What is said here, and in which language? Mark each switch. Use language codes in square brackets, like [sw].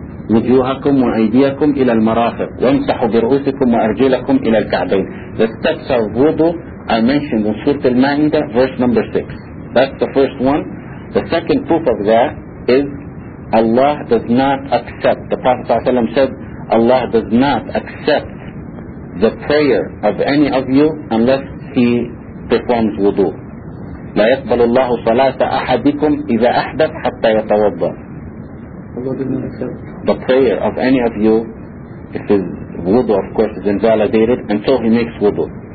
[ar] وجوهكم وأيديكم إلى المرافق وامسحوا برؤوسكم وأرجلكم إلى الكعبين. [en] The steps of wudu are mentioned in Surah Al-Ma'idah, verse number 6. That's the first one. The second proof of that is Allah does not accept. The Prophet ﷺ said, Allah does not accept the prayer of any of you unless he performs wudu. [ar] لا يقبل الله صلاة أحدكم إذا أحدث حتى يتوضأ. [en] The prayer of any of you, if his wudu of course is invalidated until he makes wudu.